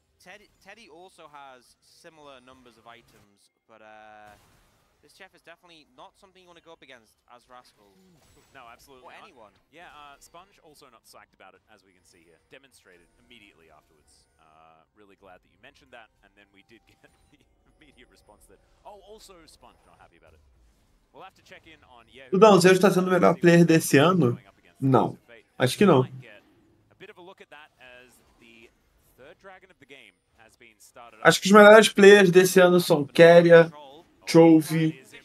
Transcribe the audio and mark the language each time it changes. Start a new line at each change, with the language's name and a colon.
English: Teddy also has similar numbers of items, but this chef is definitely not something you want to go up against as Rascal. No, absolutely not. Or anyone. Yeah, Sponge also not psyched about it, as we can see here. Demonstrated immediately afterwards. Really glad that you mentioned that, and then we did get the immediate response that, oh, also Sponge not happy about it. We'll have to check in on Yehu.
Portuguese: Não, Zeus está sendo o melhor player desse ano? Não. Acho que não.
English: A bit of a look at that as the third dragon of the game has been started.
Portuguese: Acho que os melhores players desse ano são Keria, Trove.